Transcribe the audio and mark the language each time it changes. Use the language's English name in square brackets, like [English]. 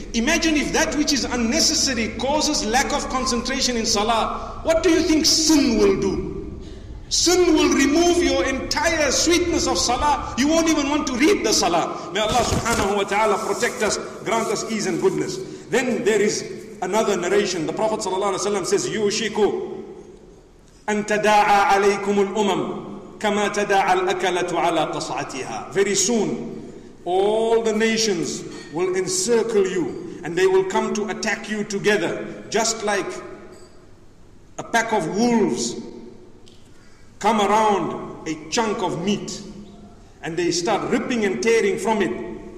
[English] Imagine if that which is unnecessary causes lack of concentration in salah. What do you think sin will do? Sin will remove your entire sweetness of salah. You won't even want to read the salah. May Allah subhanahu wa ta'ala protect us, grant us ease and goodness. Then there is another narration. The Prophet sallallahu alaihi wasallam says, "Yushiku." [Arabic] أن تداعى عليكم الأمم كما تداعى الأكلة على قصعتها. [English] Very soon, all the nations will encircle you and they will come to attack you together, just like a pack of wolves come around a chunk of meat and they start ripping and tearing from it.